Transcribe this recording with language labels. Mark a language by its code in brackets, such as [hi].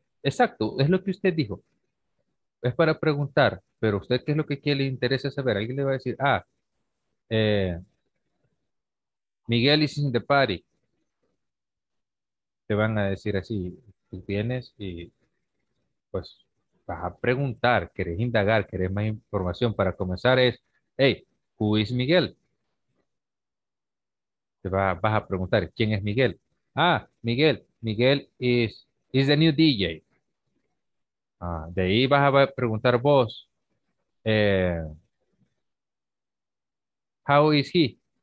[es] Exacto, es lo que usted dijo. Es para preguntar, pero usted qué es lo que quiere, le interesa saber. Alguien le va a decir, ah, [en] Miguel is in the party. [es] Te van a decir así, tú vienes y pues vas a preguntar, querés indagar, querés más información. Para comenzar es, [en] hey, who is Miguel? [es] Vas a preguntar, ¿quién es Miguel? [en] Ah, Miguel is the new DJ. [es] Ah, de ahí vas a preguntar vos, [en] how is he?